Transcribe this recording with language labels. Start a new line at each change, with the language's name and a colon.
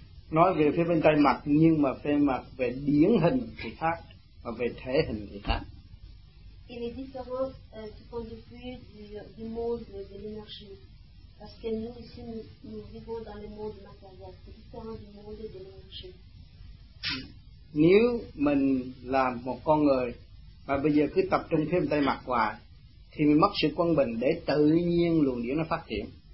Vietnamese: Nói về phía bên tay mặt, nhưng mà phía mặt về điển hình thì khác và về thể hình thì khác.
French: Il est différent du point de vue du monde de l'énergie, parce que nous ici nous vivons dans le monde matériel, c'est différent du monde de l'énergie.
Vietnamese: Nếu mình là một con người mà bây giờ cứ tập trung phía bên tay mặt hoài thì mình mất sự quân bình để tự nhiên luồng điển nó phát triển.